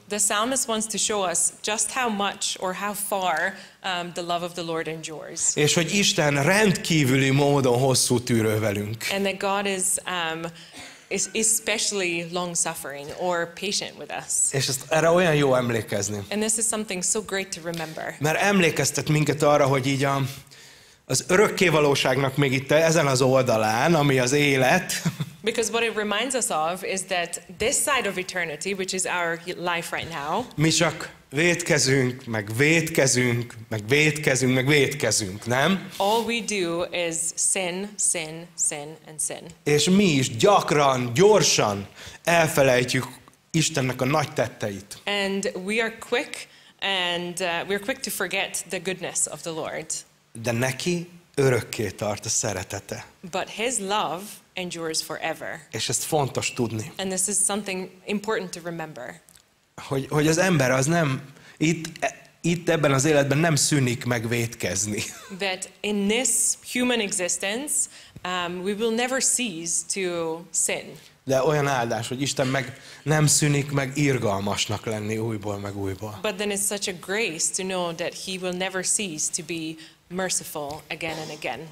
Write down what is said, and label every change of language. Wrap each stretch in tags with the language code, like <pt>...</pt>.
<en>The psalmist wants to show us just how much or how far the love of the Lord endures.</en> <hu>És hogy Isten rendkívüli módon hosszú tűrő velünk.</hu> <en>And that God is especially long-suffering or patient with us.</en> <hu>És ezt erre olyan jó emlékezni.</hu> <en>And this is something so great to remember.</en> <hu>Mert emlékeztet minket arra, hogy így az örökkévalóságnak még itt ezen az oldalán, ami az élet.</hu> <en>Because what it reminds us of is that this side of eternity, which is our life right now,</en> <hu>mi csak vétkezünk, meg vétkezünk, meg vétkezünk, meg vétkezünk, nem?</hu> <en>All we do is sin, sin, sin, and sin.</en> <hu>És mi is gyakran, gyorsan elfelejtjük Istennek a nagy tetteit.</hu> <en>And we are quick, and we're quick to forget the goodness of the Lord.</en> <hu>De neki örökké tart a szeretete.</hu> <en>But his love endures forever.</en> <hu>És ezt fontos tudni.</hu> <en>And this is something important to remember.</en> <hu>Hogy az ember az nem itt ebben az életben nem szűnik meg vétkezni.</hu> <en>That in this human existence, we will never cease to sin.</en> <hu>De olyan áldás, hogy Isten meg nem szűnik meg irgalmasnak lenni újból meg újból.</hu> <en>But then it's such a grace to know that he will never cease to be merciful again and again.</en>